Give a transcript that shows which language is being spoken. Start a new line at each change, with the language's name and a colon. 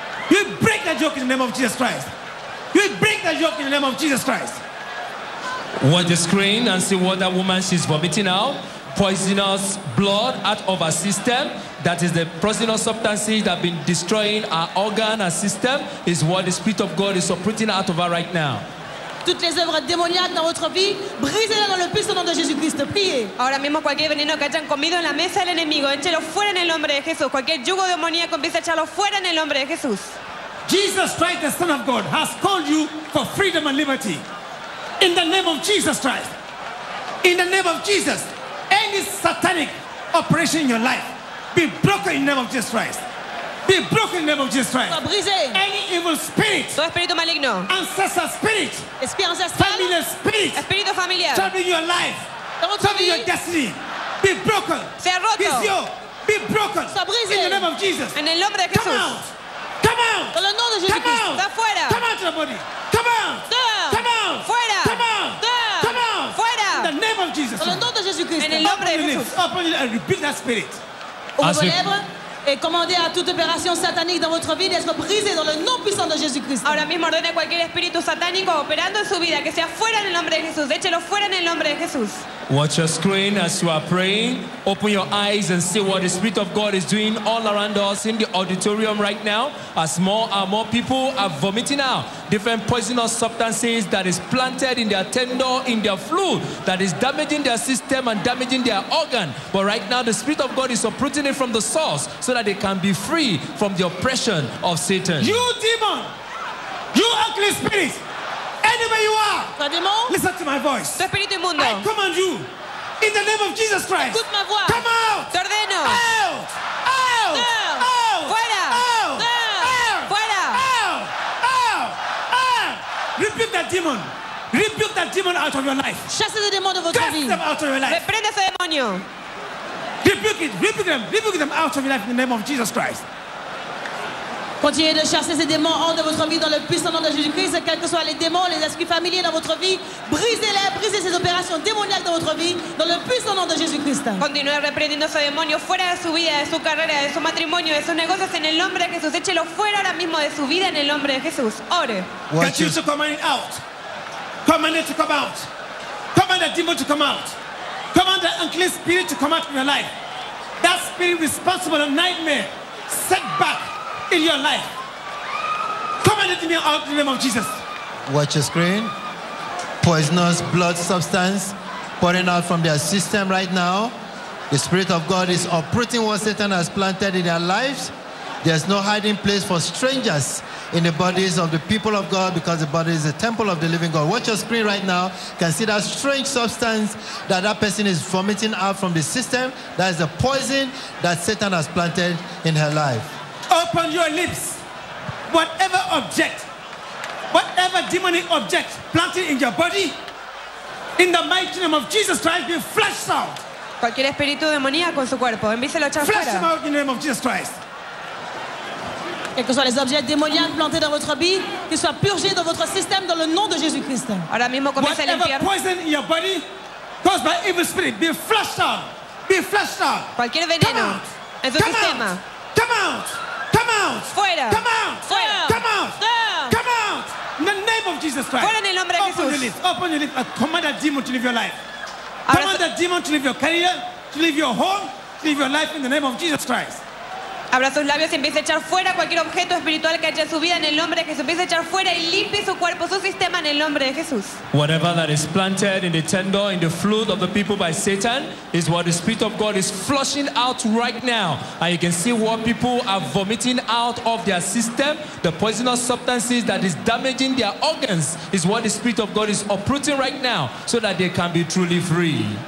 English: You break that yoke in the name of Jesus Christ. You break that yoke in the name of Jesus Christ. Watch the screen and see what that woman she's vomiting out. Poisonous blood out of her system. That is the poisonous substances that have been destroying her organ, her system, is what the Spirit of God is operating out of her right now.
French: Toutes les œuvres démoniaques dans votre vie, brisez-les dans le puissant nom de Jésus-Christ. Priez.
Spanish: Ahora mismo cualquier veneno que hayan comido en la mesa del enemigo, échelo fuera en el nombre de Jesús. Cualquier yugo demoníaco, empiece a echarlo fuera en el nombre de Jesús.
English: Jesus Christ, the Son of God, has called you for freedom and liberty. In the name of Jesus Christ, in the name of Jesus, any satanic operation in your life, be broken in the name of Jesus Christ. Be broken in the name of Jesus Christ. Any evil spirit,
Spanish: espíritu maligno,
English: ancestral spirit, family spirit,
Spanish: espíritu familiar,
English: troubling your life, troubling your destiny, be broken.
Spanish: Sea roto.
English: Be sealed. Be broken. In the name of Jesus.
Spanish: En el nombre de Jesús.
English: Come out. Come out.
French: Dans le nom de Jesus.
English: Come out.
Spanish: Da fuera.
English: Come out to the body. Come out. Da. Come out.
Spanish: Fuera.
English: Come out. Da. Come out.
Spanish: Fuera.
English: In the name of Jesus.
French: Dans le nom de Jesus Christ.
Spanish: En el nombre de Jesús.
English: Open your lips and rebuke that spirit.
French: Et commandez à toute opération satanique dans votre vie d'être brisée dans le nom puissant de Jésus-Christ.
Spanish: Ahora mismo ordene cualquier espíritu satánico operando en su vida que sea fuera en el nombre de Jesús. Échelo fuera en el nombre de Jesús.
English: Watch your screen as you are praying. Open your eyes and see what the Spirit of God is doing all around us in the auditorium right now. As more and more people are vomiting out different poisonous substances that is planted in their tendon, in their fluid, that is damaging their system and damaging their organ. But right now, the Spirit of God is uprooting it from the source so that they can be free from the oppression of Satan. You demon, you ugly spirit, anywhere you are, listen to my voice. I command you, in the name of Jesus Christ,
French: écoute ma voix.
English: Come out. Out! Out! Out! Out!
Spanish: Fuera.
English: Out!
Spanish: Fuera.
English: Out! Out! Out! Rebuke that demon. Rebuke that demon out of your life.
French: Chasse le démon de votre vie.
English: Cast them out of your life.
French: Reprenez ce démonio.
English: Rebuke it. Rebuke them. Rebuke them out of your life in the name of Jesus Christ.
French: Continuez de chasser ces démons hors de votre vie dans le puissant nom de Jésus-Christ. Quels que soient les démons, les esprits familiers dans votre vie, brisez-les, brisez ces opérations démoniaques dans votre vie dans le puissant nom de Jésus-Christ.
Spanish: Continuez reprendiendo ce demonio fuera de su vida, de su carrera, de su matrimonio, de sus negocios en el nombre de Jesús. Échelo fuera ahora mismo de su vida en el nombre de Jesús. Ore.
English: Continue to command it out. Command it to come out. Command the demon to come out. Command the unclean spirit to come out from your life. That spirit responsible for a nightmare, setback in your life. Command it to me out in the name of Jesus. Watch your screen. Poisonous blood substance. pouring out from their system right now. The Spirit of God is uprooting what Satan has planted in their lives. There's no hiding place for strangers in the bodies of the people of God, because the body is the temple of the living God. Watch your screen right now. You can see that strange substance that that person is vomiting out from the system. That is the poison that Satan has planted in her life. Open your lips. Whatever object, whatever demonic object planted in your body, in the mighty name of Jesus Christ, be flushed out.
Spanish: Cualquier espíritu demoníaco en su cuerpo, envíselo a echar fuera.
English: Flush them out in the name of Jesus Christ.
French: Quels que soient les objets démoniaques plantés dans votre vie, qu'ils soient purgés dans votre système dans le nom de Jésus-Christ.
Spanish: Ahora mismo comienza a limpiar.
English: Whatever poison in your body caused by evil spirit, be flushed out. Be flushed out.
Spanish: Cualquier veneno en su sistema.
English: Come out. Come out.
Spanish: Fuera.
English: Come out.
Spanish: Fuera.
English: Come out. Come out. In the name of Jesus Christ.
Spanish: Fuera en el nombre de Jesús.
English: Open your lips. Open your lips. Command that demon to leave your life. Command that demon to leave your career, to leave your home, to leave your life in the name of Jesus Christ.
Spanish: Abra sus labios y empiece a echar fuera cualquier objeto espiritual que haya en su vida en el nombre de Jesús. Empiece a echar fuera y limpie su cuerpo, su sistema en el nombre de Jesús.
English: Whatever that is planted in the tender, in the flood of the people by Satan, is what the Spirit of God is flushing out right now. And you can see what people are vomiting out of their system. The poisonous substances that is damaging their organs is what the Spirit of God is uprooting right now, so that they can be truly free.